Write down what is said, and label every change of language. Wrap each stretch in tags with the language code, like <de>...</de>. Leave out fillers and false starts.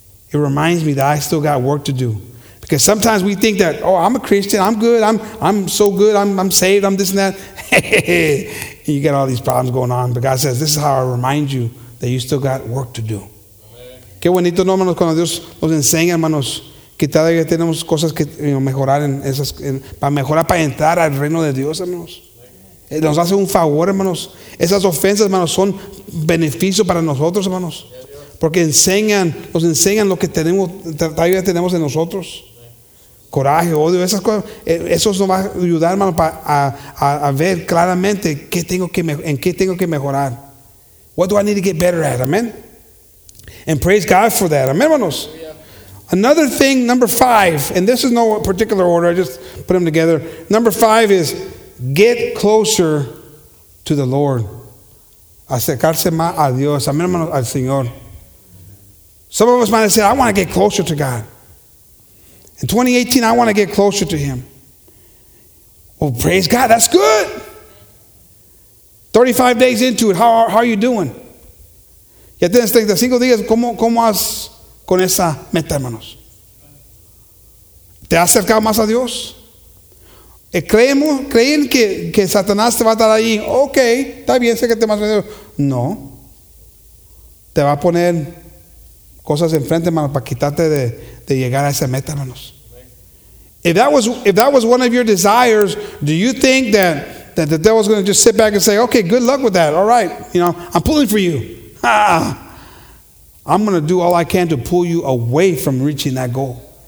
<en>It reminds me that I still got work to do. Because sometimes we think that, oh, I'm a Christian. I'm good. I'm so good. I'm saved. I'm this and that. You got all these problems going on. But God says, this is how I remind you that you still got work to do.</en> <es>Qué bonito, ¿no, hermanos? Cuando Dios nos enseña, hermanos, que todavía tenemos cosas que mejorar para entrar al reino de Dios, hermanos. Nos hace un favor, hermanos. Esas ofensas, hermanos, son beneficio para nosotros, hermanos. Porque nos enseñan lo que tenemos, todavía tenemos en nosotros. Coraje, odio, esas cosas. Eso nos va a ayudar, hermanos, a ver claramente en qué tengo que mejorar.</es> <en>What do I need to get better at? Amen. And praise God for that.</en> <es>Amen, hermanos.</es> <en>Another thing, number five, and this is no particular order, I just put them together. Number five is get closer to the Lord.</en> <es>Acercarse más a Dios. Amen, hermanos, al Señor.</es> <en>Some of us might have said, I want to get closer to God. In 2018, I want to get closer to Him. Well, praise God, that's good. 35 days into it, how are you doing?</en> <es>Ya tienes 35 días, ¿cómo has con esa meta, hermanos? ¿Te has acercado más a Dios? ¿Creen que Satanás te va a estar ahí? Ok, está bien, sé que te vas a Dios. No. Te va a poner cosas enfrente, hermanos, para quitarte de llegar a esa meta, hermanos.</es> <en>If that was one of your desires, do you think that the devil's going to just sit back and say, okay, good luck with that. All right, you know, I'm pulling for you. I'm going to do all I can to pull you away from reaching that goal.</en>